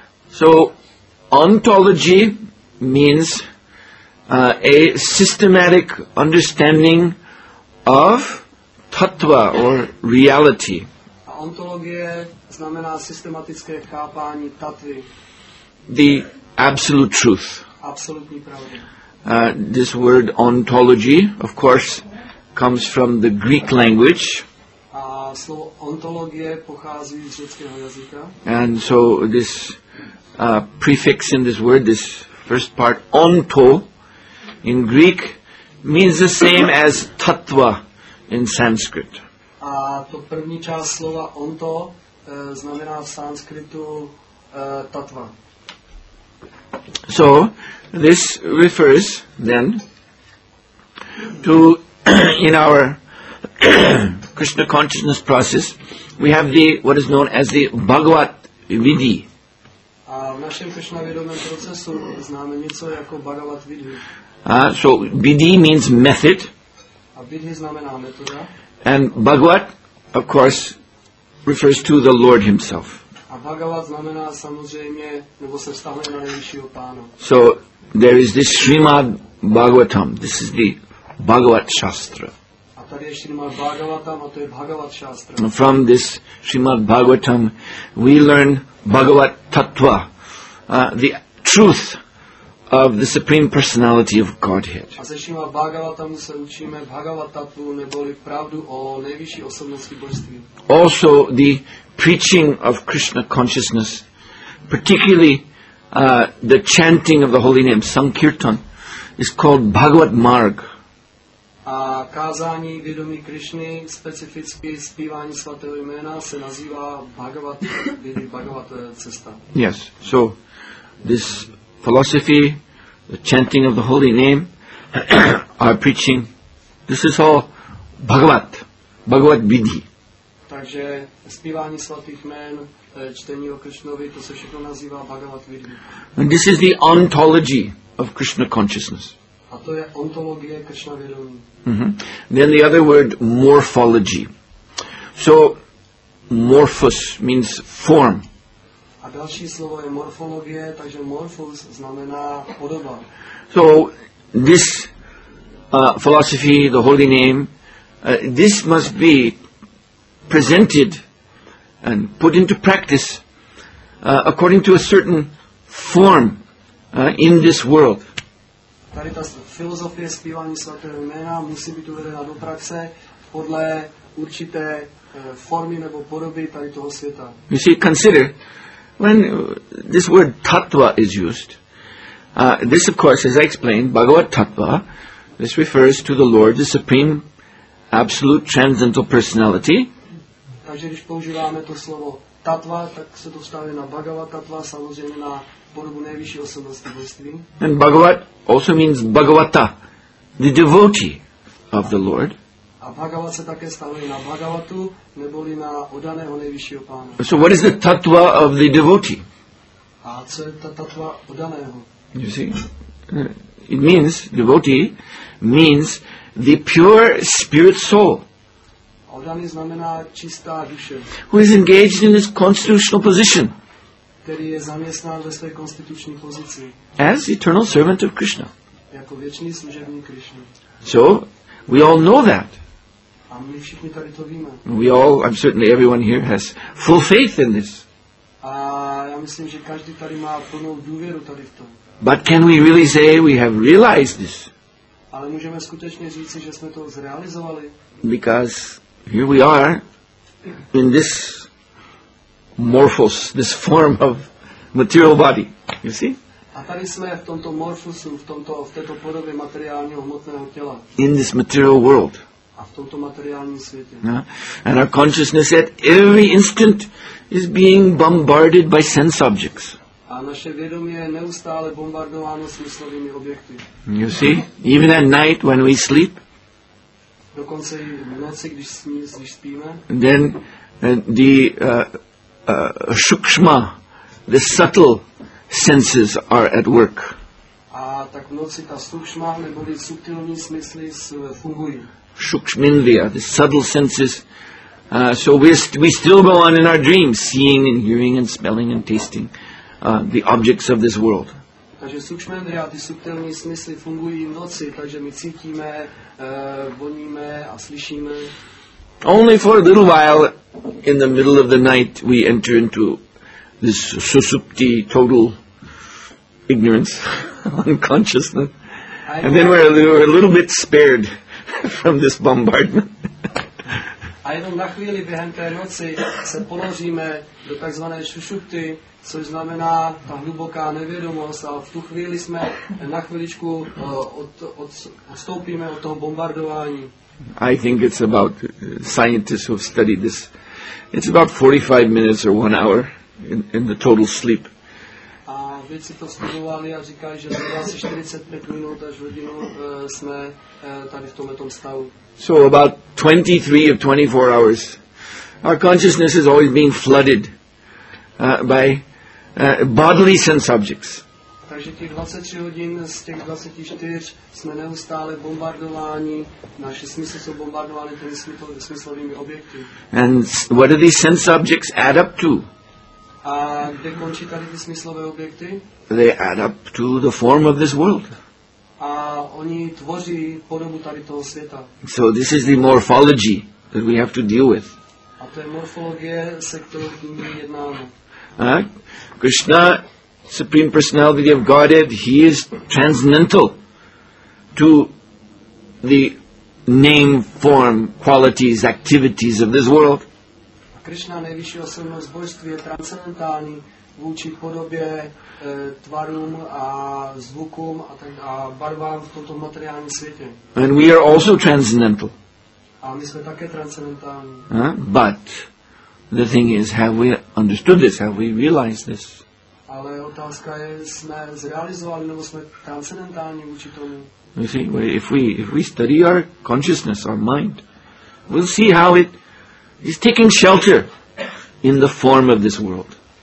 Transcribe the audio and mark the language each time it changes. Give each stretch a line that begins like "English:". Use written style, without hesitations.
English: So, ontology means a systematic understanding of tattva or reality.
Czech: Ontologie znamená systematické chápání tattvy.
English: The absolute truth.
Czech: Absolutní pravda.
English: This word ontology, of course, comes from the Greek language.
Czech: A slovo ontologie pochází z řeckého jazyka.
English: And so this prefix in this word, this first part, onto, in Greek, means the same as tattva in Sanskrit.
Czech: A to první část slova onto znamená v sanskritu tattva.
English: So, this refers then to, in our Krishna consciousness process, we have the, what is known as the Bhagavat Vidhi.
Czech: A v našem Krishna vědomém procesu známe něco jako Bhagavat Vidhi.
English: So, Vidhi means method.
Czech: A Vidhi znamená metoda.
English: And Bhagavat, of course, refers to the Lord himself.
Czech: A Bhagavat znamená samozřejmě, nebo se vztahuje na nejvyššího pána.
English: So, there is this Srimad Bhagavatam. This is the Bhagavat Shastra.
Czech: A tady je Srimad Bhagavatam, a to je Bhagavat Shastra.
English: And from this Srimad Bhagavatam, we learn Bhagavat Tattva, the truth of the Supreme Personality of Godhead.
Czech: A ze Srimad Bhagavatam se učíme Bhagavat Tattvu, neboli pravdu o nejvyšší osobnosti božství.
English: Also, the preaching of Krishna consciousness, particularly the chanting of the holy name Sankirtan, is called Bhagavat Marg.
Czech: A kázání vědomí Krishny, specificky zpívání svatého jména, se nazývá Bhagavat Vidhi, Bhagavat cesta.
English: Yes, so this philosophy, the chanting of the holy name, our preaching, this is all Bhagavat, Bhagavat Vidhi.
Czech: Takže zpívání svatých jmén, čtení o Krishnovi, to se všechno nazývá Bhagavat Vidhi.
English: And this is the ontology of Krishna consciousness.
Czech: A to je ontologie Krishna vědomí.
English: Then the other word, morphology. So, morphos means form.
Czech: A další slovo je morfologie, takže morphos znamená podoba.
English: So, this philosophy, the holy name, this must be presented and put into practice according to a certain form in this world.
Czech: Tady ta filozofie zpívání svatého jména musí být uvedena do praxe podle určité formy nebo podoby tady toho světa.
English: You see, consider, when this word tattva is used, this of course, as I explained, Bhagavat tattva, this refers to the Lord, the Supreme Absolute Transcendental Personality.
Czech: Takže když používáme to slovo tattva, tak se to vztahuje na Bhagavat tattva, samozřejmě na podobu nejvyšší osobnosti božství.
English: And Bhagavat also means Bhagavata, the devotee of the Lord.
Czech: A Bhagavat se také vztahuje na Bhagavatu, neboli na oddaného nejvyššího pána.
English: So what is the tattva of the devotee?
Czech: A co je ta tattva oddaného?
English: You see? It means, devotee means the pure spirit soul.
Czech: Oddaný znamená čistá duše.
English: Who is engaged in his constitutional position?
Czech: Který je zaměstnán ve své konstituční pozici.
English: As eternal servant of Krishna.
Czech: Jako věčný služebník Krishna.
English: So, we all know that.
Czech: A my všichni tady to víme.
English: We all, I'm certainly everyone here has full faith in this.
Czech: A já myslím, že každý tady má plnou důvěru tady v tom.
English: But can we really say we have realized this?
Czech: Ale můžeme skutečně říci, že jsme to zrealizovali.
English: Because here we are in this morphos, this form of material body. You see?
Czech: A tady jsme v tomto morfusu, v této podobě materiálního hmotného těla.
English: In this material world.
Czech: A v tomto materiálním světě.
English: And our consciousness at every instant is being bombarded by sense objects.
Czech: A naše vědomí je neustále bombardováno smyslovými objekty.
English: You see? Even at night when we sleep.
Czech: Dokonce i v noci, když spíme.
English: Then the shukshma, the subtle senses are at work.
Czech: A tak v noci ta shukshma, neboli subtilní smysly, fungují.
English: Shukshmindriya, the subtle senses, So we still go on in our dreams, seeing and hearing and smelling and tasting the objects of this world.
Czech: Takže sukšmendry a ty subtilní smysly fungují v noci, takže my cítíme, voníme a slyšíme.
English: Only for a little while in the middle of the night we enter into this susupti, total ignorance, unconsciousness. And then we're a little bit spared from this bombardment.
Czech: A jenom na chvíli během té noci se položíme do takzvané šušupty, což znamená ta hluboká nevědomost, a v tu chvíli jsme na chvíličku odstoupíme od toho bombardování.
English: I think it's about scientists who have studied this. It's about 45 minutes or one hour in the total sleep.
Czech: A vědci to studovali a říkají, že zhruba 45 minut až hodinu jsme tady v tomto stavu.
English: So about 23 of 24 hours, our consciousness is always being flooded by bodily sense objects.
Czech: Takže těch 23 hodin z těch 24 jsme neustále bombardováni, naše smysly jsou bombardovány těmi smyslovými objekty.
English: And what do these sense objects add up to?
Czech: A kde končí tady ty smyslové objekty?
English: They add up to the form of this world.
Czech: A oni tvoří podobu tady toho světa.
English: So this is the morphology that we have to deal with.
Czech: A to je morfologie, se kterou tím jednáme.
English: Krishna, Supreme Personality of Godhead, he is transcendental to the name, form, qualities, activities of this world.
Czech: Krishna, nejvyšší osobnost božství, je transcendentální vůči podobě, tvarům a zvukům a tak a barvám v tomto materiálním světě.
English: And we are also transcendental.
Czech: A my jsme také transcendentální.
English: But the thing is, have we understood this? Have we realized this?
Czech: Ale otázka je, jsme zrealizovali nebo jsme transcendentální vůči tomu?
English: You see, if we study our consciousness, our mind, we'll see how it is taking shelter in the form of this world.